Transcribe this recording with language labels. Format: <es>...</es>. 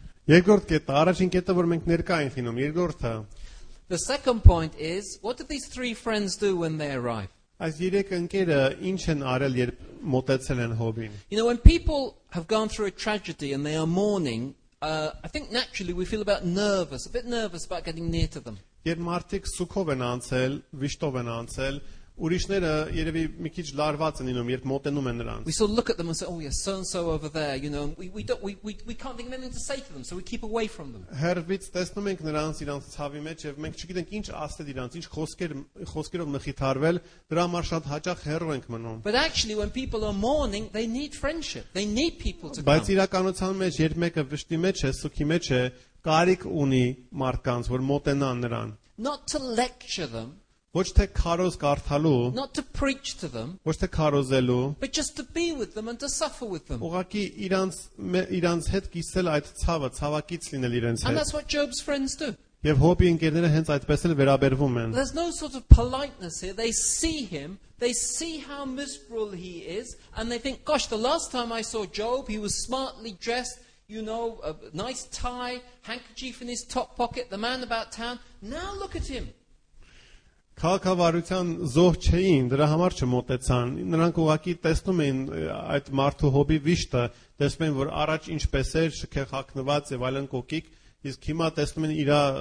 <hy>Երկրորդ կետը, առաջին կետը, որ մենք ներկա ենք լինում, երկրորդը.</hy> <en>The second point is, what did these three friends do when they arrived?</en> <hy>Այս երեք ընկերը ինչ են արել, երբ մոտեցել են Հոբին?</hy> <en>You know, when people have gone through a tragedy and they are mourning, I think naturally we feel a bit nervous about getting near to them.</en> <hy>Երբ մարդիկ սուքով են անցել, վիշտով են անցել, ուրիշները երևի մի քիչ լարված են լինում, երբ մոտենում են նրանց։</hy> <en>We still look at them and say, "Oh, yes, so and so over there," you know. We can't think of anything to say to them, so we keep away from them.</en> <hy>Հերվից տեսնում ենք նրանց իրանց ցավի մեջ եւ մենք չգիտենք ինչ ասել իրանց, ինչ խոսքերով մխիթարվել, դրա համար շատ հաճախ հեռու ենք մնում։</hy> <en>But actually when people are mourning, they need friendship. They need people to come.</en> <hy>Բայց իրականության մեջ, երբ մեկը վշտի մեջ է, սուքի մեջ է, կարիք ունի մարդկանց, որ մոտենան նրան։</hy> <en>Not to lecture them.</en> <hy>Ոչ թե քարոզ կարդալու,</hy> <en>not to preach to them,</en> <hy>ոչ թե քարոզելու,</hy> <en>but just to be with them and to suffer with them.</en> <hy>Ուղղակի իրանց հետ կիսել այդ ցավը, ցավակից լինել իրենց հետ.</hy> <en>And that's what Job's friends do.</en> <hy>Եվ Հոբի ընկերները հենց այդպես էլ վերաբերվում են.</hy> <en>There's no sort of politeness here. They see him, they see how miserable he is, and they think, gosh, the last time I saw Job, he was smartly dressed, you know, a nice tie, handkerchief in his top pocket, the man about town. Now look at him.</en> <hy>Քաղաքավարության զոհ չէին, դրա համար չմոտեցան։ Նրանք ուղղակի տեսնում էին այդ մարդու հոբի վիշտը, տեսնում էին, որ առաջ ինչպես էր, շքեղ հագնված եւ այլն կոկիկ, իսկ հիմա տեսնում են իր</hy>